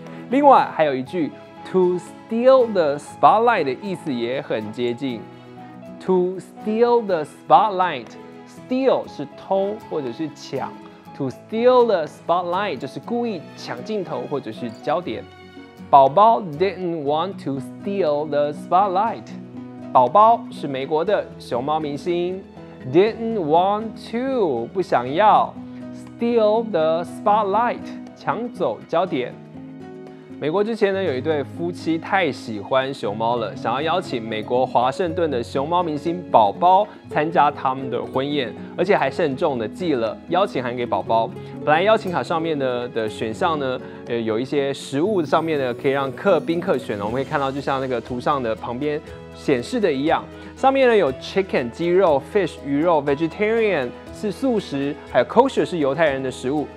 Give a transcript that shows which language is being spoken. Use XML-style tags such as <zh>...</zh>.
<zh>另外还有一句 ，</zh> <en>to steal the spotlight</en> <zh>的意思也很接近。</zh> <en>to steal the spotlight，</en> <zh>steal 是偷或者是抢 ，to steal the spotlight 就是故意抢镜头或者是焦点。</zh> <en>宝宝 didn't want to steal the spotlight。</en> <zh>宝宝是美国的熊猫明星。</zh> <en>Didn't want to，</en> <zh>不想要。</zh> <en>Steal the spotlight，</en> <zh>抢走焦点。美国之前呢，有一对夫妻太喜欢熊猫了，想要邀请美国华盛顿的熊猫明星宝宝参加他们的婚宴，而且还慎重的寄了邀请函给宝宝。本来邀请卡上面的选项呢，有一些食物上面呢可以让宾客选，我们可以看到就像那个图上的旁边显示的一样，上面呢有 chicken 鸡肉、fish 鱼肉、vegetarian 是素食，还有 kosher 是犹太人的食物。</zh>